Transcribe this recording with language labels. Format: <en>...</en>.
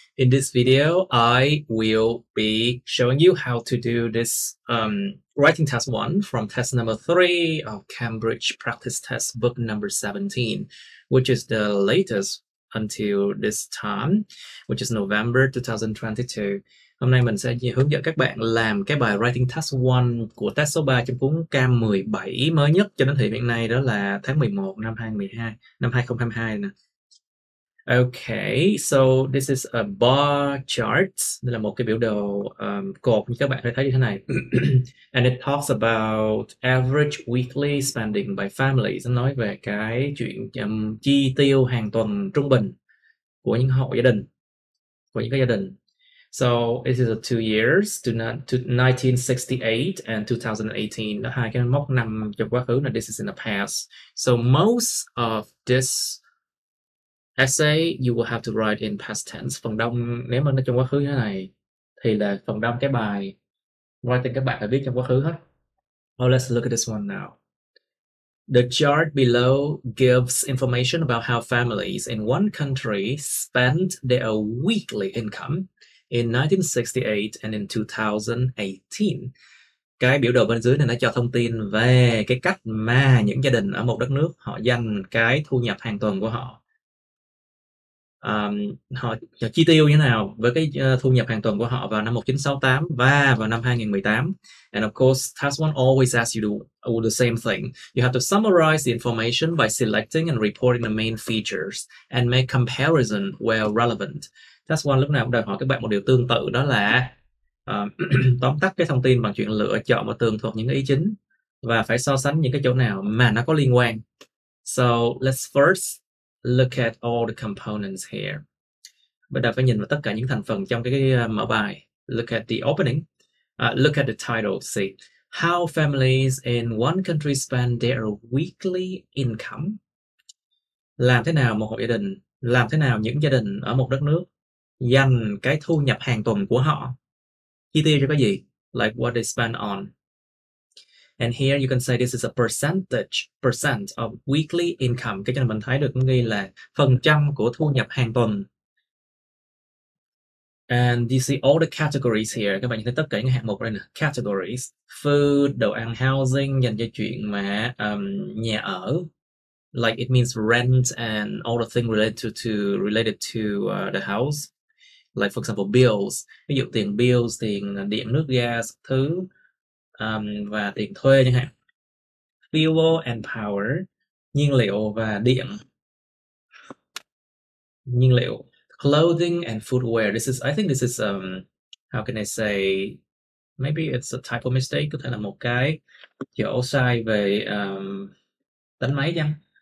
<en>In this video, I will be showing you how to do this writing test one from test number three of Cambridge practice test book number 17, which is the latest until this time, which is November 2022.</en> <vi>Hôm nay mình sẽ hướng dẫn các bạn làm cái bài writing test one của test số 3 trong cuốn Cam 17 mới nhất cho đến thời điểm này, đó là tháng 11 năm 2012, năm 2022 nè.</vi> <en>Okay, so this is a bar chart.</en> <vi>Đây là một cái biểu đồ cột như các bạn có thể thấy như thế này.</vi> <en>And it talks about average weekly spending by families.</en> <vi>Nó nói về cái chuyện chi tiêu hàng tuần trung bình của những hộ gia đình, của những cái gia đình.</vi> <en>So it is a 2 years to 1968 and 2018.</en> <vi>Đó, hai cái mốc năm trong quá khứ là</vi> <en>this is in the past. So most of this essay you will have to write in past tense.</en> <vi>Phần đông, nếu mà nó trong quá khứ như thế này thì là phần đông cái bài writing các bạn phải viết trong quá khứ hết.</vi> <en>Well, let's look at this one now. The chart below gives information about how families in one country spent their weekly income in 1968 and in 2018.</en> <vi>Cái biểu đồ bên dưới này nó cho thông tin về cái cách mà những gia đình ở một đất nước họ dành cái thu nhập hàng tuần của họ. Họ chi tiêu như thế nào với cái thu nhập hàng tuần của họ vào năm 1968 và vào năm 2018.</vi> <en>And of course, task one always asks you to do the same thing. You have to summarize the information by selecting and reporting the main features and make comparison where relevant.</en> <vi>Task one lúc nào cũng đòi hỏi các bạn một điều tương tự, đó là tóm tắt cái thông tin bằng chuyện lựa chọn và tường thuật những cái ý chính và phải so sánh những cái chỗ nào mà nó có liên quan.</vi> <en>So let's first look at all the components here.</en> <vi>Bắt đầu phải nhìn vào tất cả những thành phần trong cái mở bài.</vi> <en>Look at the opening. Look at the title. See how families in one country spend their weekly income.</en> <vi>Làm thế nào một hộ gia đình, làm thế nào những gia đình ở một đất nước dành cái thu nhập hàng tuần của họ, chi tiêu cho cái gì?</vi> <en>Like what they spend on. And here you can say this is a percent of weekly income.</en> <vi>Cái này mình thấy được ghi là phần trăm của thu nhập hàng tuần.</vi> <en>And you see all the categories here.</en> <vi>Các bạn nhìn thấy tất cả những hạng mục đây nè. Categories, food, đồ ăn, housing, dành cho chuyện mà nhà ở.</vi> <en>Like it means rent and all the things related to the house. Like for example bills.</en> <vi>Ví dụ tiền bills, tiền điện, nước, gas, thứ. Và tiền thuê chẳng hạn, fuel and power, nhiên liệu và điện, nhiên liệu, clothing and footwear.</vi> <en>This is, I think this is, how can I say, maybe it's a typo mistake,</en> <vi>có thể là một cái chỗ sai về đánh máy chăng?</vi>